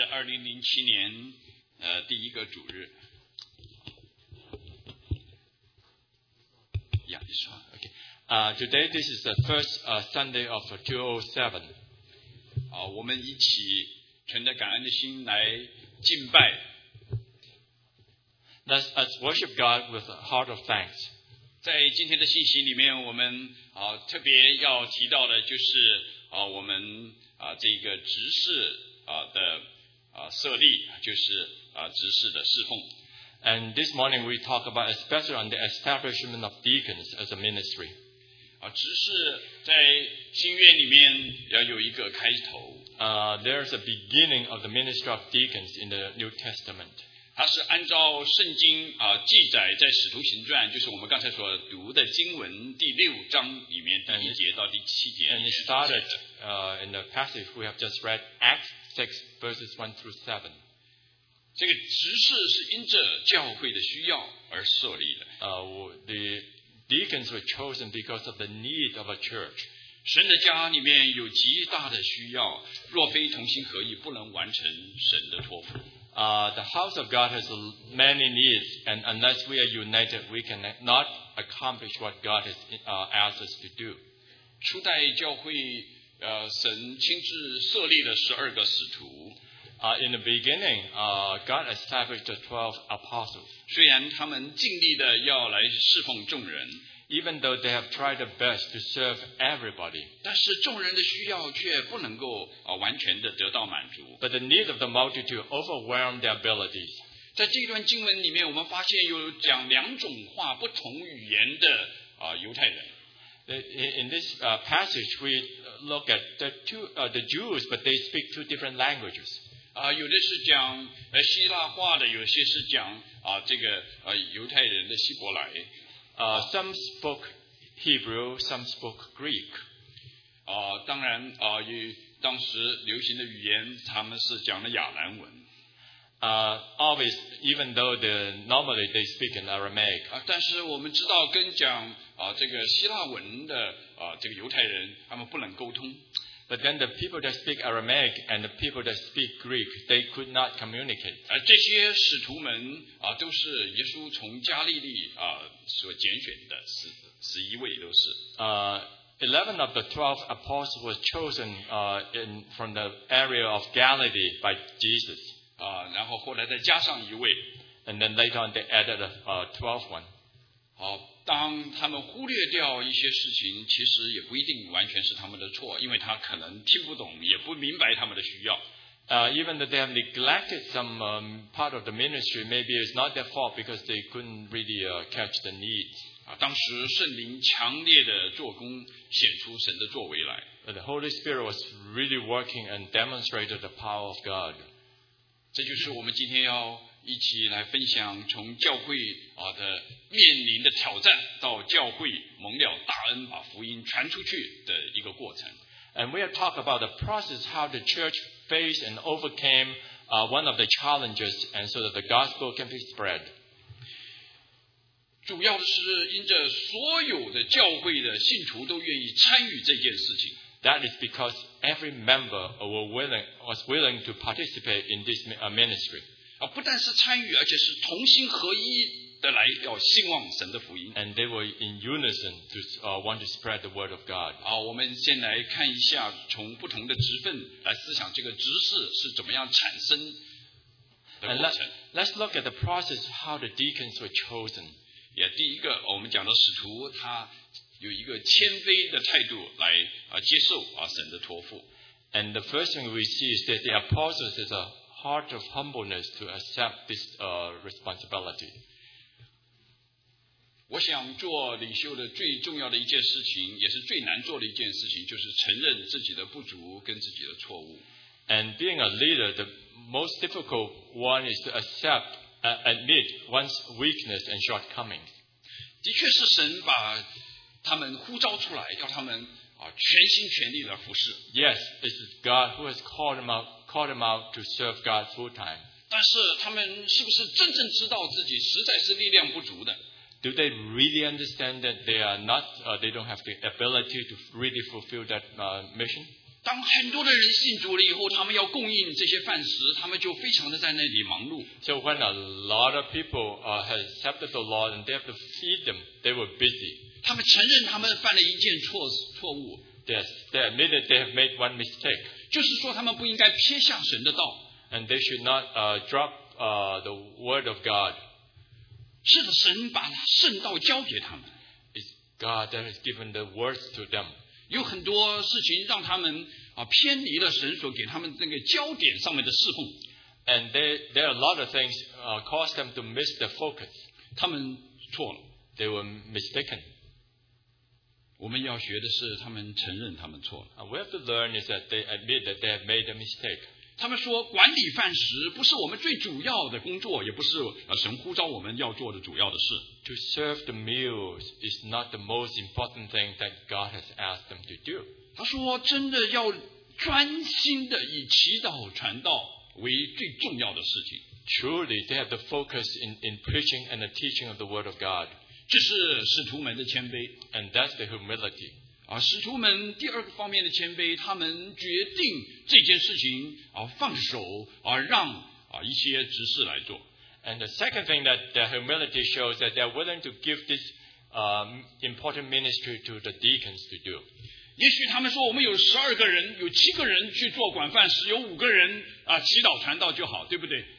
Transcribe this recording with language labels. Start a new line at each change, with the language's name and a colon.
Chinese: 2007年第一个主日。
English: Yeah, this one. Okay. Today this is the first Sunday of 2007.
Chinese: 我们一起存着感恩的心来敬拜。
English: Let us worship God with a heart of thanks.
Chinese: 在今天的信息里面，我们特别要提到的就是我们这个执事的设立，就是执事的侍奉。
English: And this morning we talk about especially on the establishment of deacons as a ministry.
Chinese: 执事在新约里面要有一个开头。
English: There's a beginning of the ministry of deacons in the New Testament.
Chinese: 它是按照圣经记载在使徒行传，就是我们刚才所读的经文第六章里面第一节到第七节。
English: And it started in the passage we have just read, Acts 6 verses 1 through 7.
Chinese: 这个执事是因着教会的需要而设立的。
English: The deacons were chosen because of the need of a church.
Chinese: 神的家里面有极大的需要，若非同心合意，不能完成神的托付。
English: The house of God has many needs, and unless we are united, we cannot accomplish what God has asked us to do.
Chinese: 初代教会，神亲自设立了十二个使徒。
English: In the beginning, God established the 12 apostles.
Chinese: 虽然他们尽力地要来侍奉众人，
English: even though they have tried their best to serve everybody,
Chinese: 但是众人的需要却不能够完全地得到满足。
English: But the need of the multitude overwhelmed their abilities.
Chinese: 在这段经文里面，我们发现有讲两种话不同语言的犹太人。
English: In this passage, we look at the Jews, but they speak two different languages.
Chinese: 有的是讲希腊话的，有些是讲这个犹太人的希伯来。
English: Some spoke Hebrew, some spoke Greek.
Chinese: 当然与当时流行的语言，他们是讲的亚兰文。
English: Always, even though normally they speak in Aramaic.
Chinese: 但是我们知道，跟讲这个希腊文的这个犹太人，他们不能沟通。
English: But then the people that speak Aramaic and the people that speak Greek, they could not communicate.
Chinese: 这些使徒们都是耶稣从加利利所拣选的，十一位都是。
English: 11 of the 12 apostles were chosen from the area of Galilee by Jesus.
Chinese: 然后后来再加上一位。
English: And then later on they added a 12th one.
Chinese: 当他们忽略掉一些事情，其实也不一定完全是他们的错，因为他可能听不懂，也不明白他们的需要。
English: Even though they have neglected some part of the ministry, maybe it's not their fault because they couldn't really catch the needs.
Chinese: 当时圣灵强烈的做工，显出神的作为来。
English: The Holy Spirit was really working and demonstrated the power of God.
Chinese: 这就是我们今天要一起来分享从教会的面临的挑战到教会蒙了大恩把福音传出去的一个过程。
English: And we'll talk about the process how the church faced and overcame one of the challenges and so that the gospel can be spread.
Chinese: 主要是因着所有的教会的信徒都愿意参与这件事情。
English: That is because every member was willing to participate in this ministry.
Chinese: 不但是参与，而且是同心合一的来要兴旺神的福音。
English: And they were in unison to want to spread the word of God.
Chinese: 我们先来看一下从不同的职份来思想这个职事是怎么样产生的过程。
English: And let's look at the process of how the deacons were chosen.
Chinese: 第一个，我们讲到使徒他有一个谦卑的态度来接受神的托付。
English: And the first thing we see is that the apostles has a heart of humbleness to accept this responsibility.
Chinese: 我想做领袖的最重要的一件事情，也是最难做的一件事情，就是承认自己的不足跟自己的错误。
English: And being a leader, the most difficult one is to accept, admit one's weakness and shortcomings.
Chinese: 的确是神把他们呼召出来，要他们全心全力的服侍。
English: Yes, it is God who has called them out to serve God full time.
Chinese: 但是他们是不是真正知道自己实在是力量不足的？
English: Do they really understand that they are not, they don't have the ability to really fulfill that mission?
Chinese: 当很多的人信主了以后，他们要供应这些饭食，他们就非常的在那里忙碌。
English: So when a lot of people have accepted the Lord and they have to feed them, they were busy.
Chinese: 他们承认他们犯了一件错误。
English: Yes, they admitted they have made one mistake.
Chinese: 就是说他们不应该撇下神的道。
English: And they should not drop the word of God.
Chinese: 是的，神把圣道交给他们。
English: It's God that has given the words to them.
Chinese: 有很多事情让他们偏离了神所给他们那个焦点上面的侍奉。
English: And there are a lot of things caused them to miss the focus.
Chinese: 他们错了。
English: They were mistaken.
Chinese: 我们要学的是他们承认他们错了。
English: We have to learn is that they admit that they have made a mistake.
Chinese: 他们说管理饭食不是我们最主要的工作，也不是神呼召我们要做的主要的事。
English: To serve the meals is not the most important thing that God has asked them to do.
Chinese: 他说真的要专心的以祈祷传道为最重要的事情。
English: Truly, they have to focus in preaching and the teaching of the word of God.
Chinese: 这是使徒们的谦卑。
English: And that's the humility.
Chinese: 使徒们第二个方面的谦卑，他们决定这件事情放手让一些执事来做。
English: And the second thing that the humility shows is that they're willing to give this important ministry to the deacons to do.
Chinese: 也许他们说我们有十二个人，有七个人去做管饭食，有五个人祈祷传道就好，对不对？